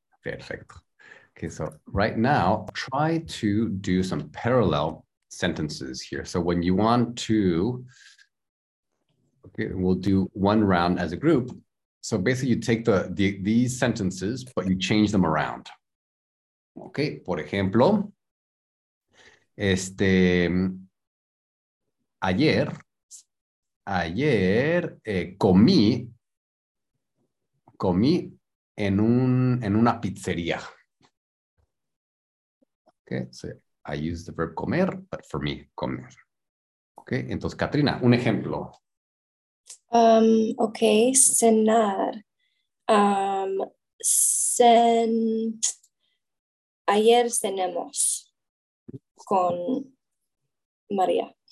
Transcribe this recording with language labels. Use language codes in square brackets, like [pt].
[en] Perfecto. Okay, so right now, try to do some parallel sentences here. So when you want to, okay, we'll do one round as a group. So basically, you take these sentences, but you change them around. [es] Okay, por ejemplo, ayer comí en una pizzería. Okay, so I use the verb comer, but for me, comer. Okay, entonces, Katrina, un ejemplo. Okay, cenar. Ayer cenamos con María.